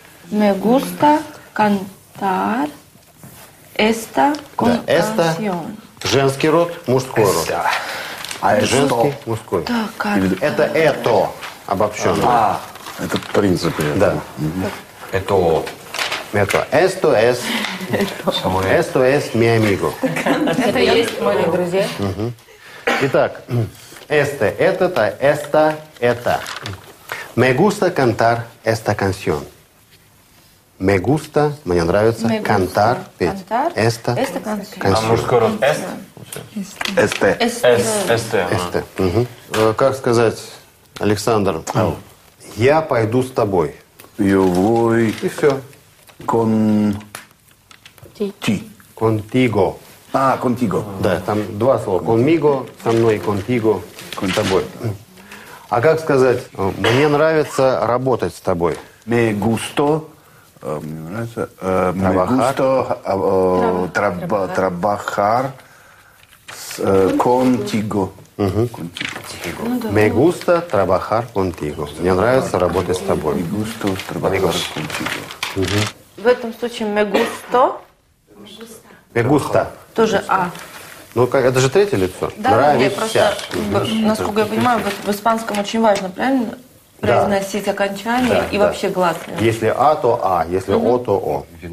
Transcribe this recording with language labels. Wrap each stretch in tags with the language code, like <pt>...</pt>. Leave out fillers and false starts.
<es>Me gusta cantar esta canción. Esta...</es> <ru>Женский род, мужской род.</ru> <es>Esta.</es> <ru>А женский, мужской. Да, как... Это обобщенное. А... Это принципы. Да. Это... Это...</ru> <es>Esto es... Esto es mi amigo.</es> <ru>Это есть мои друзья. Итак.</ru> <es>Este, этот, esta, это. Me gusta cantar esta canción. Me gusta,</es> <ru>мне нравится,</ru> <es>cantar,</es> <ru>петь.</ru> <es>Cantar esta canción.</es> <ru>А мужской род este?</ru> <es>Este. Este.</es> <ru>Este. Как сказать, Александр... Я пойду с тобой.</ru> <es>Yo voy...</es> <ru>И все.</ru> <es>Con... Ti. Contigo. А, contigo.</es> <ru>Да, там два слова. Conmigo, со мной, contigo, con тобой. А как сказать, мне нравится работать с тобой?</ru> <es>Me gusto...</es> <ru>Мне нравится...</ru> <es>Trabajar. Me gusto... trabajar... contigo. Me gusta trabajar contigo.</es> <ru>Мне нравится работать с тобой.</ru> <es>Me gusta trabajar contigo.</es> <ru>В этом случае me gusto.</ru> <es>Me gusta.</es> <ru>Тоже а. Ну как, это же третье лицо. Да, нравится. Насколько я понимаю, в испанском очень важно, правильно, произносить окончание и вообще гласные. Если а, то а. Если о, то о.</ru>